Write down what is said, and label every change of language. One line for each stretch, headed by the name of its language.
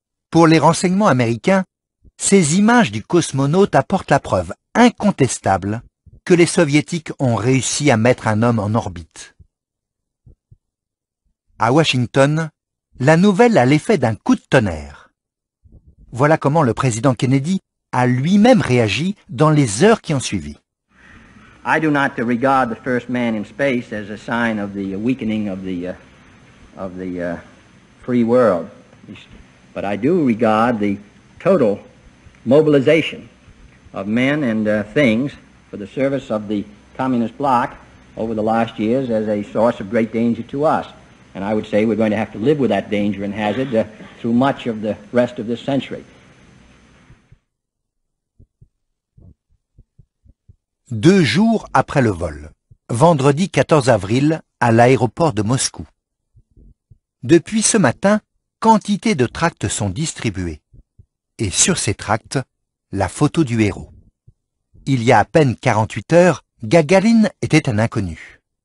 French: Pour les renseignements américains, ces images du cosmonaute apportent la preuve incontestable que les Soviétiques ont réussi à mettre un homme en orbite. À Washington, la nouvelle a l'effet d'un coup de tonnerre. Voilà comment le président Kennedy a lui-même réagi dans les heures qui ont suivi.
English: I do not regard the first man in space as a sign of the weakening of the free world. But I do regard the total mobilization of men and things for the service of the communist bloc over the last years as a source of great danger to us. And I would say we're going to have to live with that danger and hazard through much of the rest of this century.
French: Deux jours après le vol, vendredi 14 avril, à l'aéroport de Moscou. Depuis ce matin, quantité de tracts sont distribués. Et sur ces tracts, la photo du héros. Il y a à peine 48 heures, Gagarin était un inconnu.